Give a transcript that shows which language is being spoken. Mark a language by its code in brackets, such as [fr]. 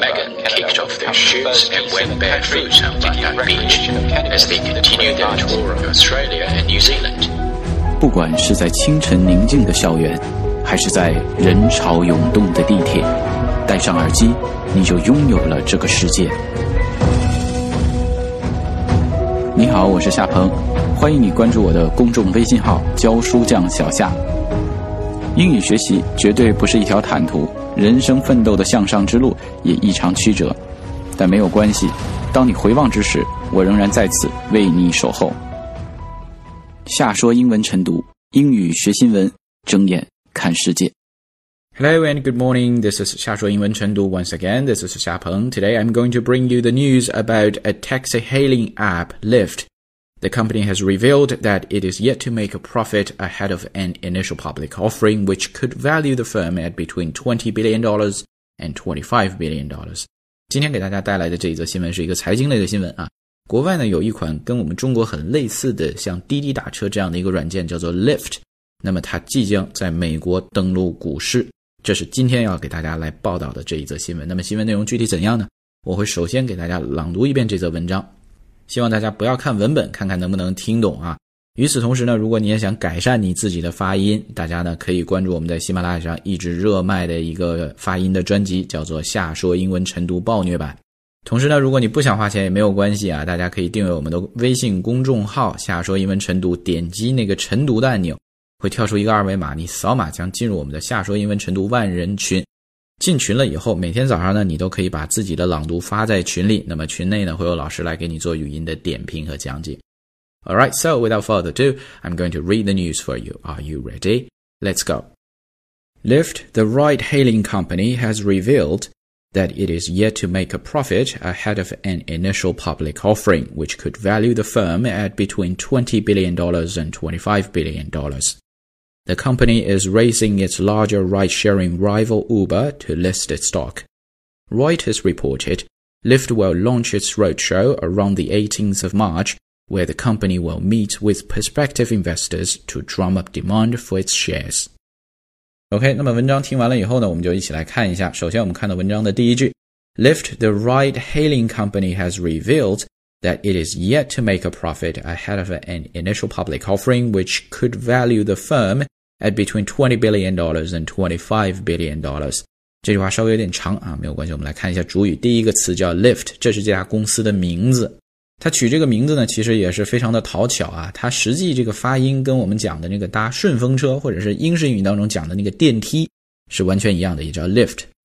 [en] Megan kicked off their shoes and went barefoot on Bundang Beach as they continued their tour of Australia and New Zealand. [zh] 不管是在清晨宁静的校园，还是在人潮涌动的地铁，戴上耳机，你就拥有了这个世界。你好，我是夏鹏，欢迎你关注我的公众微信号教书匠小夏。英语学习绝对不是一条坦途，人生奋斗的向上之路也异常曲折，但没有关系，当你回望之时，我仍然在此为你守候。夏说英文晨读，英语学新闻，睁眼看世界。 [en] Hello and good morning, this is 夏说英文晨读 once again, this is 夏鹏. Today I'm going to bring you the news about a taxi hailing app, Lyft. The company has revealed that it is yet to make a profit ahead of an initial public offering which could value the firm at between $20 billion and $25 billion. [zh] 今天给大家带来的这一则新闻是一个财经类的新闻啊。国外呢有一款跟我们中国很类似的像滴滴打车这样的一个软件叫做 Lyft。那么它即将在美国登陆股市，这是今天要给大家来报道的这一则新闻。那么新闻内容具体怎样呢？我会首先给大家朗读一遍这则文章，希望大家不要看文本，看看能不能听懂啊。与此同时呢，如果你也想改善你自己的发音，大家呢可以关注我们在喜马拉雅上一直热卖的一个发音的专辑，叫做夏说英文晨读暴虐版。同时呢，如果你不想花钱也没有关系啊，大家可以订阅我们的微信公众号夏说英文晨读，点击那个晨读的按钮，会跳出一个二维码，你扫码将进入我们的夏说英文晨读万人群。进群了以后，每天早上呢，你都可以把自己的朗读发在群里，那么群内呢，会有老师来给你做语音的点评和讲解。 [en] Alright, so without further ado, I'm going to read the news for you. Are you ready? Let's go. Lyft, the ride-hailing company, has revealed that it is yet to make a profit ahead of an initial public offering, which could value the firm at between $20 billion and $25 billion. The company is racing its larger ride-sharing rival Uber to list its stock. Reuters reported, Lyft will launch its roadshow around the 18th of March, where the company will meet with prospective investors to drum up demand for its shares. [zh] OK, 那么文章听完了以后呢，我们就一起来看一下。首先我们看到文章的第一句， [en] Lyft, the ride-hailing company, has revealedthat it is yet to make a profit ahead of an initial public offering which could value the firm at between $20 billion and $25 billion. [zh] 这句话稍微有点长啊，没有关系，我们来看一下主语。第一个词叫 Lyft, 这是这家公司的名字。它取这个名字呢其实也是非常的讨巧啊，它实际这个发音跟我们讲的那个搭顺风车或者是英式英语当中讲的那个电梯是完全一样的，也叫 Lyft。